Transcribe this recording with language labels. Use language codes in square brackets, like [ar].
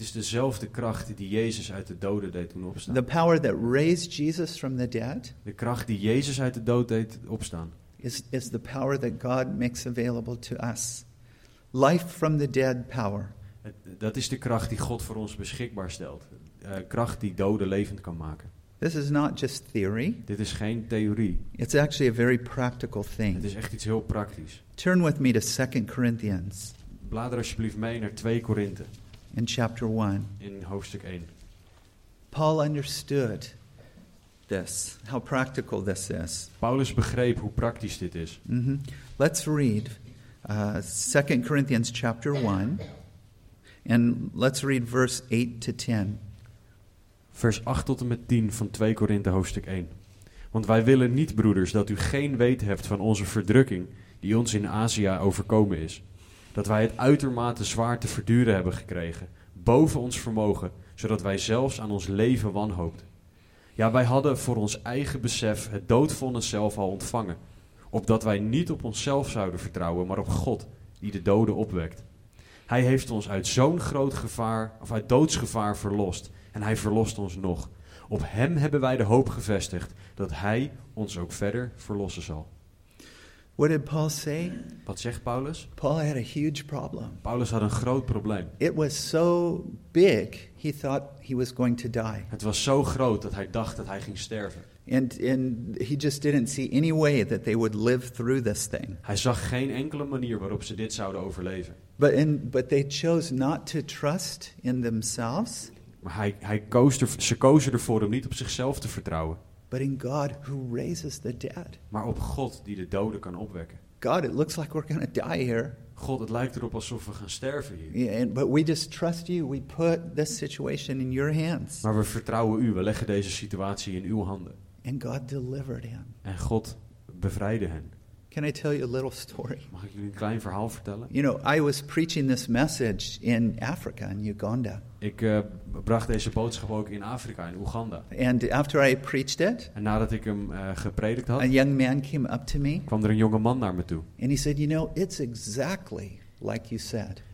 [nl] Het is dezelfde kracht die Jezus uit de doden deed doen opstaan. [en] The power that raised Jesus from the dead. [nl] De kracht die Jezus uit de dood deed opstaan. [en] Is the power that God makes available to us. Life from the dead power. [nl] Dat is de kracht die God voor ons beschikbaar stelt. Kracht die doden levend kan maken. [en] This is not just theory. [nl] Dit is geen theorie. [en] It's actually a very practical thing. [nl] Het is echt iets heel praktisch. [en] Turn with me to 2 Corinthians. [nl] Blader alsjeblieft mee naar 2 Korinthe. [en] In chapter 1. [nl] In hoofdstuk 1. [en] Paul understood this, how practical this is. [nl] Paulus begreep hoe praktisch dit is. Mm-hmm. [en] Let's read 2 Corinthians chapter 1. And let's read verse 8 to 10. [nl] Vers 8 tot en met 10 van 2 Korinthe hoofdstuk 1. Want wij willen niet, broeders, dat u geen weet hebt van onze verdrukking die ons in Azië overkomen is. Dat wij het uitermate zwaar te verduren hebben gekregen, boven ons vermogen, zodat wij zelfs aan ons leven wanhoopten. Ja, wij hadden voor ons eigen besef het doodvonnis zelf al ontvangen, opdat wij niet op onszelf zouden vertrouwen, maar op God, die de doden opwekt. Hij heeft ons uit zo'n groot gevaar, of uit doodsgevaar verlost, en hij verlost ons nog. Op hem hebben wij de hoop gevestigd dat hij ons ook verder verlossen zal. [en] What did Paul say? [nl] Wat zegt Paulus? [en] Paul had a huge problem. [nl] Paulus had een groot probleem. [en] It was so big he thought he was going to die. [nl] Het was zo groot dat hij dacht dat hij ging sterven. [en] And he just didn't see any way that they would live through this thing. [nl] Hij zag geen enkele manier waarop ze dit zouden overleven. [en] But they chose not to trust in themselves. [nl] Maar ze kozen ervoor om niet op zichzelf te vertrouwen. [en] But in God who raises the dead. [nl] Maar op God die de doden kan opwekken. [en] God, it looks like we're gonna die here. [nl] God, het lijkt erop alsof we gaan sterven hier. [en] Yeah, but we just trust you. We put this situation in your hands. [nl] Maar we vertrouwen u. We leggen deze situatie in uw handen. [en] And God delivered him. [nl] En God bevrijdde hen. [en] Can I tell you a little story? [nl] Mag ik jullie een klein verhaal vertellen? [en] You know, I was preaching this message in Africa, in Uganda. [nl] Ik bracht deze boodschap ook in Afrika, in Oeganda. [en] And after I preached it, [nl] en nadat ik hem gepredikt had, [en] a young man came up to me, [nl] kwam er een jonge man naar me toe. [en] And he said, you know, it's exactly like you said.